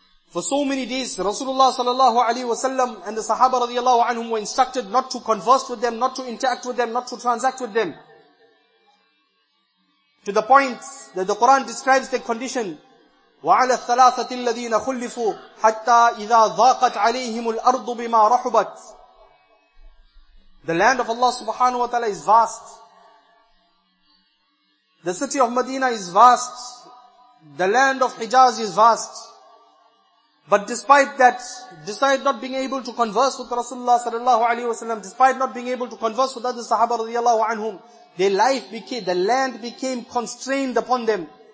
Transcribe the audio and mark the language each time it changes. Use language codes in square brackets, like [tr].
[en] For so many days, Rasulullah sallallahu alayhi wa sallam and the Sahaba radiallahu anhum were instructed not to converse with them, not to interact with them, not to transact with them. To the point that the Quran describes the condition. [ar] وَعَلَى الثَّلَاثَةِ الَّذِينَ خُلِّفُوا حَتَّى إِذَا ضَاقَتْ عَلَيْهِمُ الْأَرْضُ بِمَا رَحُبَتْ [en] The land of Allah subhanahu wa ta'ala is vast. The city of Medina is vast. The land of Hijaz is vast. But despite that, despite not being able to converse with Rasulullah sallallahu alayhi wa sallam, despite not being able to converse with other sahaba radiallahu anhum, their life became, the land became constrained upon them.